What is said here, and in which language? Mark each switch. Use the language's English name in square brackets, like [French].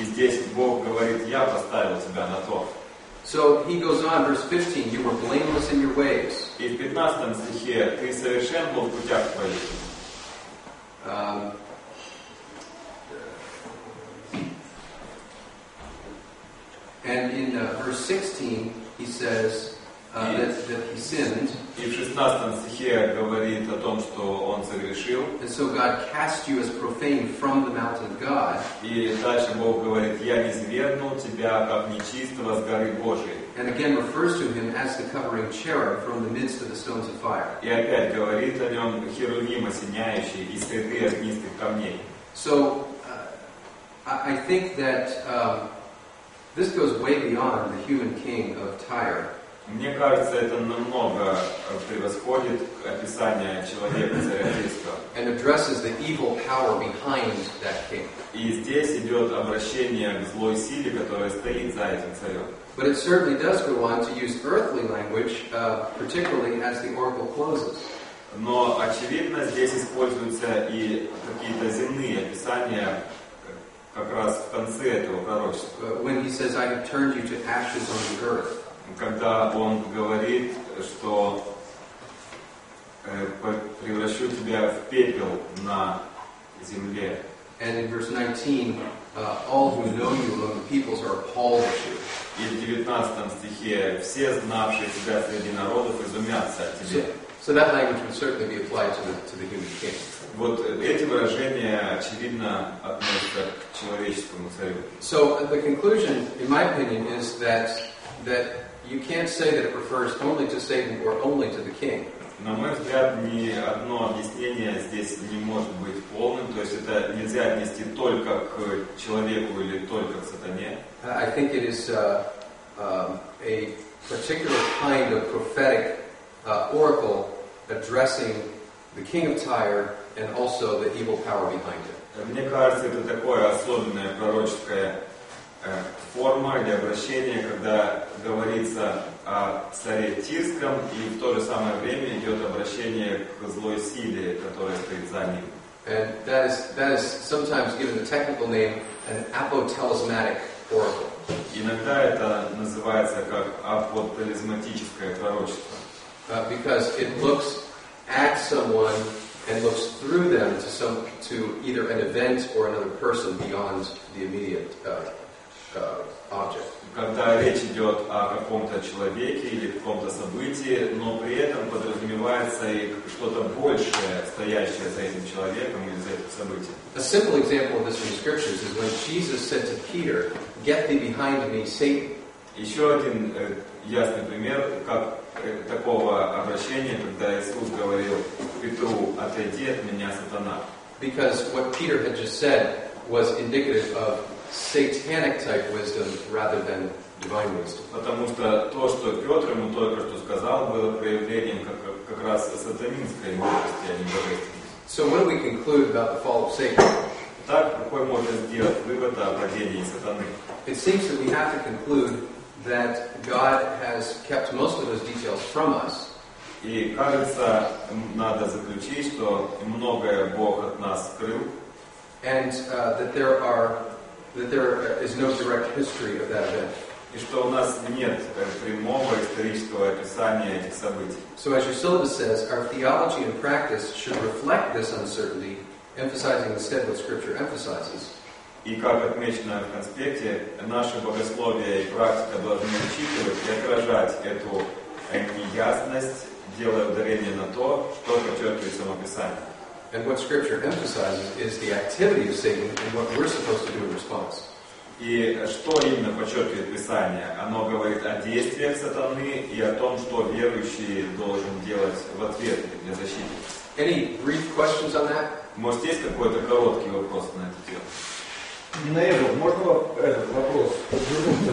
[Russian] И здесь Бог говорит, я поставил тебя на то. [English] So he goes on, verse 15, you were blameless in your ways. [Russian] И в 15 стихе, ты совершен был в путях твоих. [English] And in verse 16, he says that he sinned. [Russian] И в 16 стихе говорит о том, что он согрешил. [English] And so God cast you as profane from the mountain of God. [Russian] И дальше Бог говорит, я низвергнул тебя, как нечистого с горы Божией. [English] And again refers to him as the covering cherub from the midst of the stones of fire. [Russian] И опять говорит о нем херувим осеняющий из среды огнистых камней. [English] So, I think that this goes way beyond the human king of Tyre. [Russian] Мне кажется, это намного превосходит описание человека царя Тирского. [English] And addresses the evil power behind that king. [Russian] И здесь идет обращение к злой силе, которая стоит за этим царем. [English] But it certainly does go on to use earthly language, particularly as the oracle closes. [Russian] Но очевидно, здесь используются и какие-то земные описания, как раз в конце этого пророчества. [English] When he says, "I have turned you to ashes on the earth." [Russian] Когда он говорит, что превращу тебя в пепел на земле. [English] And in verse 19, all who know you among the peoples are appalled at you. [Russian] И в 19 стихе все знавшие тебя среди народов изумятся от тебя. [English] So that language would certainly be applied to the human king. [Russian] Вот эти выражения, очевидно, относятся к человеческому царю. [English] So the conclusion, in my opinion, is that You can't say that it refers only to Satan or only to the king. [Russian] На мой взгляд, ни одно объяснение здесь не может быть полным. То есть это нельзя отнести только к человеку или только к сатане. [English] I think it is a particular kind of prophetic oracle addressing the king of Tyre and also the evil power behind it. [Russian] Мне кажется, это такое особенное пророческое форма или обращение, когда говорится о царе Тирском, и в то же самое время идет обращение к злой силе, которая стоит за ним. [English] And that is sometimes given the technical name an apotelismatic oracle. [Russian] Иногда это называется как апотелизматическое пророчество. [English] Because it looks at someone and looks through them to either an event or another person beyond the immediate object. [Russian] Когда речь идет о каком-то человеке или каком-то событии, но при этом подразумевается и что-то большее, стоящее за этим человеком или за этим событием. [English] A simple example of this in the scriptures is when Jesus said to Peter, "Get thee behind me, Satan." [Russian] Еще один ясный пример как такого обращения, когда Иисус говорил Петру: "Отойди от меня, сатана." [English] Because what Peter had just said was indicative of satanic type wisdom rather than divine wisdom. [Russian] Потому что то, что Петр ему только что сказал, было проявлением как раз сатанинской мудрости, а не божественной. [English] So what do we conclude about the fall of Satan? [Russian] Так какой можно сделать вывод о падении сатаны? [English] It seems that we have to conclude that God has kept most of those details from us. [Russian] И кажется, надо заключить, что многое Бог от нас скрыл. [English] And that there is no direct history of that event. [Russian] И что у нас нет прямого исторического описания этих событий. [English] So as your syllabus says, our theology and practice should reflect this uncertainty, emphasizing instead what Scripture emphasizes. [Russian] И как отмечено в конспекте, наше богословие и практика должны учитывать и отражать эту неясность, делая ударение на то, что подчеркивает само Писание. [English] And what Scripture emphasizes is the activity of Satan and what we're supposed to do in response. [Russian] И что именно подчеркивает Писание? Оно говорит о действиях сатаны и о том, что верующий должен делать в ответ для защиты. [English] Any brief questions on that? [Russian] Может, есть какой-то короткий вопрос на эту тему? Нейл, можно этот вопрос вернуться